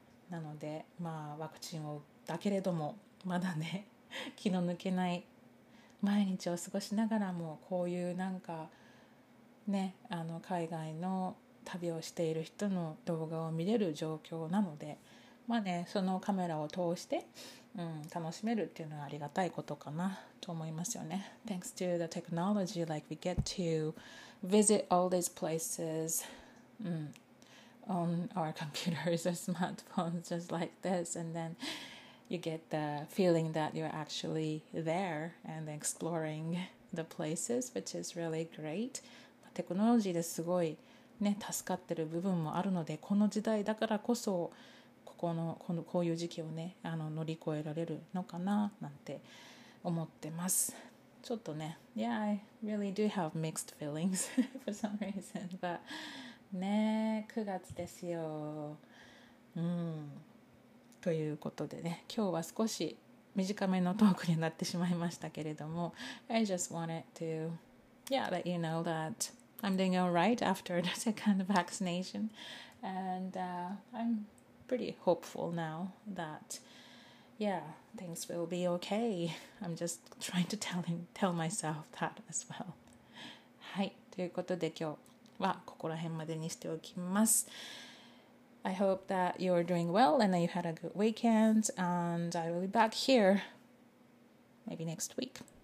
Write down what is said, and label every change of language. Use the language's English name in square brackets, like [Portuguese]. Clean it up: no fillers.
[Japanese] なのでまあワクチンを打ったけれどもまだね気の抜けない毎日を過ごしながらもこういうなんかね、あの海外の旅をしている人の動画を見れる状況なので、まあね、そのカメラを通して、楽しめるっていうのはありがたいことかなと思いますよね。 [English] Thanks to the technology, like we get to visit all these places、on our computers or smartphones just like this, and then you get the feeling that you're actually there and exploring the places, which is really great. [Japanese] テクノロジーですごい、ね、助かってる部分もあるので、この時代だからこそこういう時期をね、あの乗り越えられるのかななんて思ってます。ちょっとね、 [English] Yeah, I really do have mixed feelings for some reason, but [Japanese] ね、9月ですよ、ということでね、今日は少し短めのトークになってしまいましたけれども、 [English] I just wanted to yeah, let you know that I'm doing alright after the second vaccination, and I'm pretty hopeful now that yeah, things will be okay. I'm just trying to tell myself that as well. [Japanese] はい、ということで今日はここら辺までにしておきます。 [English] I hope that you're doing well and that you had a good weekend, and I will be back here maybe next week.